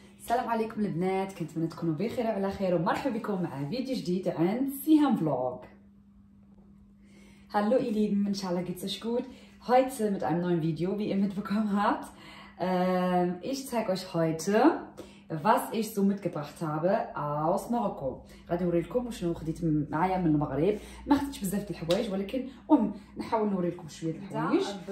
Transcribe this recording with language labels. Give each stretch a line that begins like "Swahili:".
Arabic: السلام عليكم البنات، كنتمنى تكونوا بخير وعلى خير، ومرحبا بكم مع فيديو جديد عند سيهم فلوغ.
German: هالو ايلي
Arabic: من شاء الله
German: geht's euch gut. Heute mit einem neuen Video, wie ihr mitbekommen habt. Ich zeige euch heute, was ich so mitgebracht habe aus Marokko.
Arabic: غادي نوريلكم شنو خديت معايا من المغرب. ما خديتش بزاف د الحوايج، ولكن نحاول نوريلكم شويه د الحوايج.